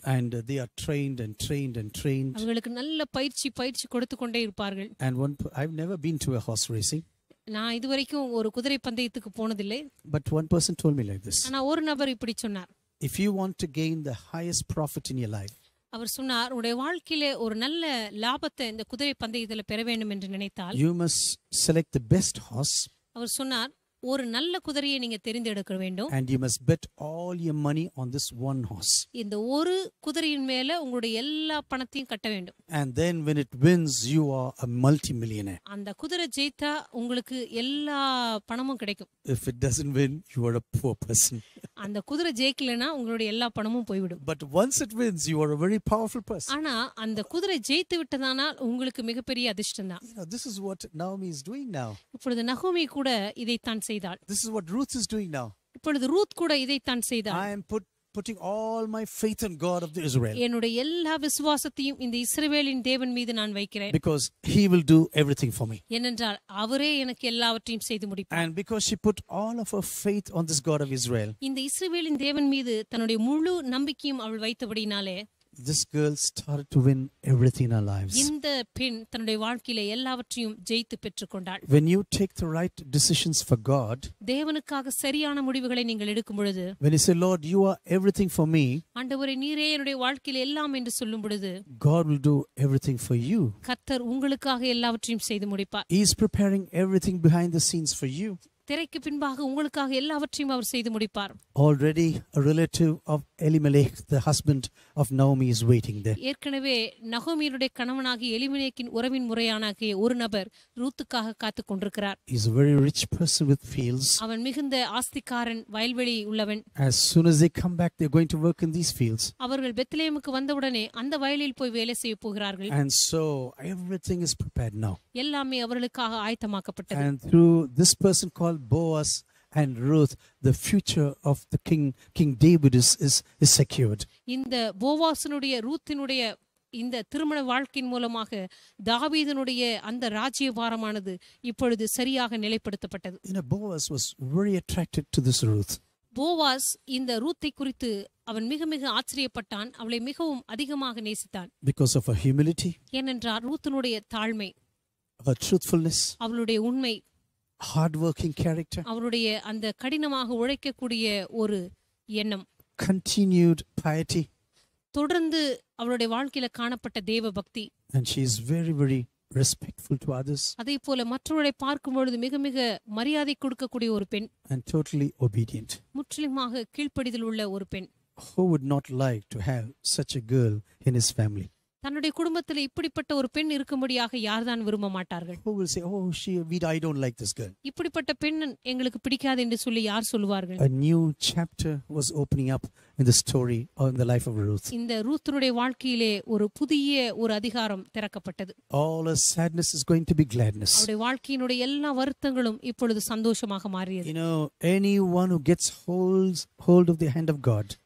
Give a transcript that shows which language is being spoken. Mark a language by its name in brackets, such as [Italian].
[English] And they are trained and trained and trained. [Tamil] அவங்களுக்கு நல்ல பயிற்சி கொடுத்து கொண்டே இருப்பார்கள். [English] And I've never been to a horse racing. [Tamil] நான் இதுவரைக்கும் ஒரு குதிரை பந்தயத்துக்கு போனதில்லை. [English] But one person told me like this. [Tamil] ஆனா ஒரு நபர் இப்படி சொன்னார். [English] If you want to gain the highest profit in your life. [Tamil] அவர் சொன்னார், உங்கள் வாழ்க்கையிலே ஒரு நல்ல லாபத்தை இந்த குதிரை பந்தயத்தில் பெற வேண்டும் என்று நினைத்தால் [English] you must select the best horse. [Tamil] அவர் சொன்னார், ஒரு நல்ல குதிரையை நீங்க தேர்ந்தெடுக்க வேண்டும். [English] And you must bet all your money on this one horse. [Tamil] இந்த ஒரு குதிரையின் மேல உங்களுடைய எல்லா பணத்தையும் கட்ட வேண்டும். [English] And then when it wins you are a multi-millionaire. [Tamil] அந்த குதிரை ஜெயித்தா உங்களுக்கு எல்லா பணமும் கிடைக்கும். [English] If it doesn't win you are a poor person. [Tamil] அந்த குதிரை ஜெயிக்கலனா உங்களுடைய எல்லா பணமும் போய்விடும். [English] But once it wins you are a very powerful person. [Tamil] ஆனா அந்த குதிரை ஜெயித்து விட்டதனால் உங்களுக்கு மிகப்பெரிய அதிர்ஷ்டம் தான். [English] This is what Naomi is doing now. [Tamil] இப்பொழுது நகோமி கூட இதை தான் [English] This is what Ruth is doing now. [Tamil] இப்பொழுது ரூத் கூட இதை தான் செய்தார். [English] I am putting all my faith in God of the Israel. [Tamil] என்னுடைய எல்லா விசுவாசத்தையும் இந்த இஸ்ரவேலின் தேவன் மீது நான் வைக்கிறேன். [English] Because he will do everything for me. [Tamil] ஏனென்றால் அவரே எனக்கு எல்லாவற்றையும் செய்து முடிப்பார். [English] And because she put all of her faith on this God of Israel. [Tamil] இந்த இஸ்ரவேலின் தேவன் மீது தன்னுடைய முழு நம்பிக்கையும் அவள் வைத்தபடியாலே [English] This girl started to win everything in her lives. [Tamil] இந்த பெண் தன்னுடைய வாழ்க்கையில எல்லாவற்றையும் ஜெயித்து பெற்றுக்கொண்டாள். [English] When you take the right decisions for God, [Tamil] தேவனுக்காக சரியான முடிவுகளை நீங்கள் எடுக்கும் பொழுது, [English] When you say Lord, you are everything for me, [Tamil] ஆண்டவரே நீரே என்னுடைய வாழ்க்கையில எல்லாம் என்று சொல்லும் பொழுது, [English] God will do everything for you. [Tamil] கர்த்தர் உங்களுக்காக எல்லாவற்றையும் செய்து முடிப்பார். [English] He is preparing everything behind the scenes for you. [Tamil] திரைக்கு பின்பாக உங்களுக்காக எல்லாவற்றையும் அவர் செய்து முடிப்பார். [English] Already a relative of Elimelech, the husband of Naomi, is waiting there. [Tamil] ஏற்கனவே நகோமியுடைய கணவனாகிய எலிமெலேக்கின் உறவின் முறையானாகிய ஒரு நபர் ரூத்துக்காக காத்துக் கொண்டிருக்கிறார். [English] He is a very rich person with fields. [Tamil] அவன் மிகுந்த ஆஸ்திக்காரன், வயல்வெளி உள்ளவன். [English] As soon as they come back, they are going to work in these fields. [Tamil] அவர்கள் பெத்லகேமுக்கு வந்தவுடனே அந்த வயலில் போய் வேலை செய்ய போகிறார்கள். [English] And so everything is prepared now. [Tamil] எல்லாமே அவர்களுக்காக ஆயத்தமாக்கப்பட்டது. [English] And through this person called Boaz and Ruth the future of the king David is secured in the [Tamil] Boaz-னுடைய Ruth-னுடைய இந்த திருமண வாழ்க்கையின் மூலமாக தாவீதுனுடைய அந்த ராஜ்ய பாரமானது இப்பொழுது சரியாக நிலைப்படுத்தப்பட்டது [English] you know Boaz was very attracted to this Ruth [Tamil] Boaz இந்த ரூத்தை குறித்து அவன் மிக மிக ஆச்சரியப்பட்டான் அவளை மிகவும் அதிகமாக நேசித்தான் [English] because of her humility [Tamil] ஏனென்றால் ரூத்தினுடைய தாழ்மை [English] her truthfulness [Tamil] அவளுடைய உண்மை [English] hard working character [Tamil] அவருடைய அந்த கடினமாக உழைக்கக்கூடிய ஒரு எண்ணம் [English] continued piety [Tamil] தொடர்ந்து அவருடைய வாழ்க்கையில காணப்பட்ட தேவ பக்தி [English] and she is very very respectful to others [Tamil] அதே போல மற்றவர்களை பார்க்கும் பொழுது மிக மிக மரியாதை கொடுக்கக்கூடிய ஒரு பெண் [English] and totally obedient [Tamil] முற்றிலுமாக கீழ்ப்படிதல் உள்ள ஒரு பெண் [English] who would not like to have such a girl in his family [Tamil] தன்னுடைய குடும்பத்தில் இப்படிப்பட்ட ஒரு பெண் இருக்கும்படியாக யார்தான் விரும்ப மாட்டார்கள் இப்படிப்பட்ட பெண் எங்களுக்கு பிடிக்காது என்று சொல்லி யார் சொல்வார்கள் [English] A new chapter was opening up in the story or in the life of Ruth [Tamil] இந்த ரூத்தினுடைய வாழ்க்கையிலே ஒரு புதிய ஒரு அதிகாரம் திறக்கப்பட்டது [English] All her sadness is going to be gladness [Tamil] அவருடைய வாழ்க்கையினுடைய எல்லா வருத்தங்களும் இப்பொழுது சந்தோஷமாக மாறியது [English] You know anyone who gets hold of the hand of God